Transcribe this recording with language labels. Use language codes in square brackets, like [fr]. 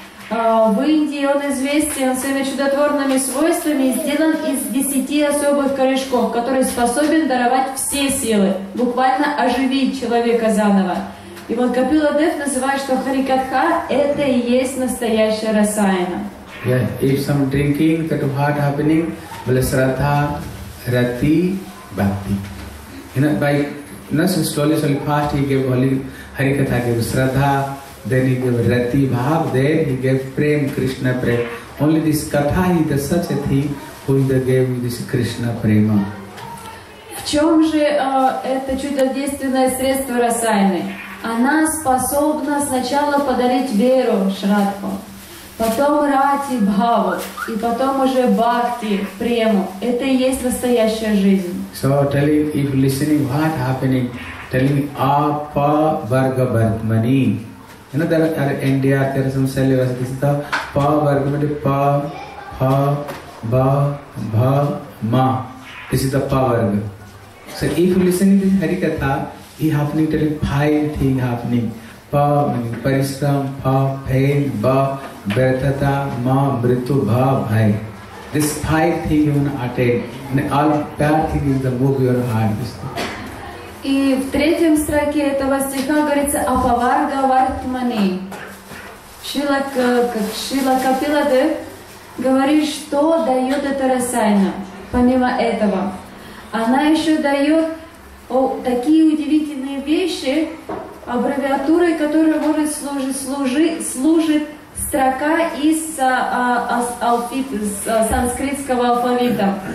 [ru] В Индии он известен своими чудотворными свойствами, сделан из 10 особых корешков, который способен даровать все силы, буквально оживить человека заново. И вот Капила Дев называет, что Харикатха — это и есть настоящая Расайна. [en] Yeah, if some drinking, that heart happening, Vlasratha, Rati, Bhakti. You know, by, so slowly, slowly, fast, he gave only Harikatha, gave Sraddha, then he gave Rati, Bhav, then he gave Prem, Krishna, Prem. Only this Katha, he does such a thing, who he gave this Krishna, Prema. [ru] В чем же это чудодейственное средство Расайны? Она способна сначала подарить веру Шрадху, потом Рати, Бхава, и потом уже Бхакти, Прему. Это и есть настоящая жизнь. [en] So, telling, if listening, what happening? Telling, Apa Varga Bhartmani. You know, there are in India, there are some syllables, this is the Pa Varga Bhartmani, Pa, Pa, Ba, Bha, Ma. This is the Pa Varga. So, if listening to Harikatha, he happening, telling five things happening. Pa, meaning Parishram, Pa, Pain, Ba, Vratata, Ma, Mritu, Bha, Bhai. This five things you want to attain. And all bad things is the move your heart. [ru] И в третьем строке этого стиха говорится «Апаварга вартмани». Шрила Капила Дев говорит, что дает эта Расайна, помимо этого. Она еще дает такие удивительные вещи, аббревиатуры, которые может служит строка из санскритского алфавита.